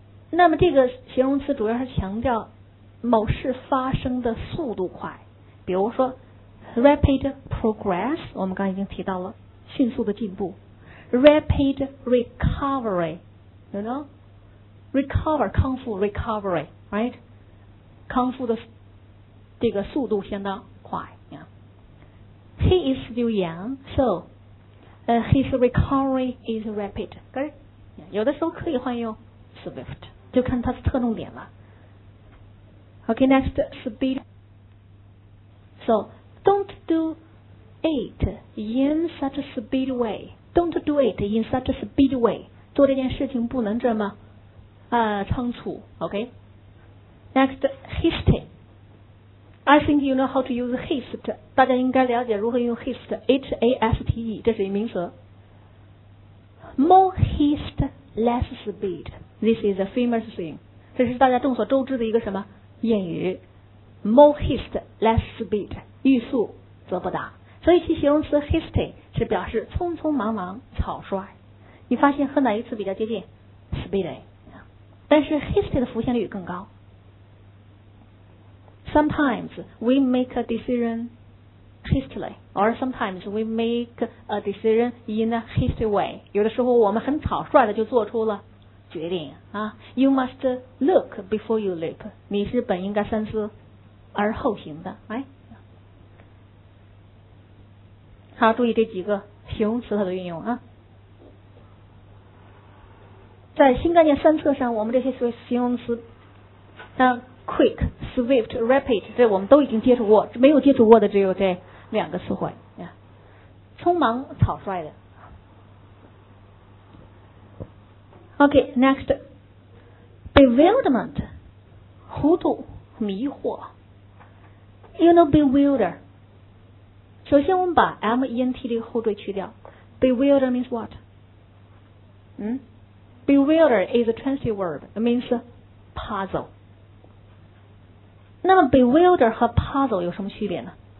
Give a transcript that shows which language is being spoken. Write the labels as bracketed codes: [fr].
[zh] 那么这个形容词主要是强调某事发生的速度快，比如说 rapid progress， 我们刚刚已经提到了迅速的进步， rapid recovery， you know， recover 康复 recovery， right， 康复的这个速度相当快、yeah. [en] He is still young， so、his recovery is rapid， right？ [zh] Yeah, 有的时候可以换用 swift， 就看它的侧重点了。 [en] OK, next, speed. So, don't do it in such a speed way. Don't do it in such a speed way. [zh] 做这件事情不能这么仓促 OK? [en] Next, haste. I think you know how to use haste. [zh] 大家应该了解如何用 haste. H-A-S-T-E, 这是一名词。 [en] More haste, less speed. This is a famous thing. [zh] 这是大家众所周知的一个什么谚语 ， [en] more haste, less speed， [zh] 欲速则不达。所以其形容词 hasty 是表示匆匆忙忙、草率。你发现和哪一词比较接近 ？speedy， 但是 hasty 的浮现率更高。 [en] Sometimes we make a decision hastily, or sometimes we make a decision in a hasty way。 [zh] 有的时候我们很草率的就做出了。决定啊 ， [en] You must look before you leap。 [zh] 你是本应该三思而后行的，哎。好，注意这几个形容词它的运用啊。在新概念三册上，我们这些所谓形容词，像 quick、swift、rapid， 这我们都已经接触过，没有接触过的只有这两个词汇啊，匆忙、草率的。 [en] OK, next, bewilderment, [zh] 糊涂、迷惑。 [en] You know, bewilder. [zh] 首先我们把 ment 这个后缀去掉。 [en] Bewilder means what?、Bewilder is a transitive word. It means puzzle. [zh] 那么 bewilder 和 puzzle 有什么区别呢?